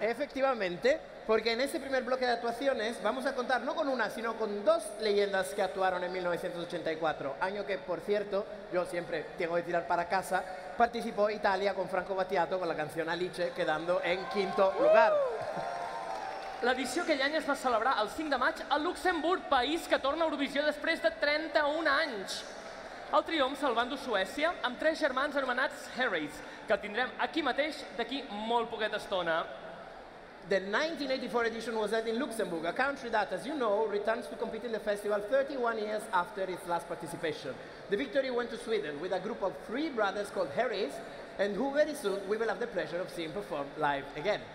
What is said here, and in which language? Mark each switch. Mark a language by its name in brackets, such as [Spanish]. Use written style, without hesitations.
[Spanish] Efectivamente, porque en ese primer bloque de actuaciones vamos a contar no con una, sino con dos leyendas que actuaron en 1984. Año que, por cierto, yo siempre tengo que tirar para casa, participó Italia con Franco Battiato con la canción Alice, quedando en quinto lugar. [Catalan] L'edició aquell any es va celebrar el 5 de maig a Luxemburg, país que torna a Eurovisió després de 31 anys. El triomf salvant-ho Suècia amb tres germans anomenats Harrys, que tindrem aquí mateix d'aquí molt poqueta estona. [English] The 1984 edition was held in Luxembourg, a country that, as you know, returns to compete in the festival 31 years after its last participation. The victory went to Sweden with a group of three brothers called Harrys, and who very soon we will have the pleasure of seeing perform live again.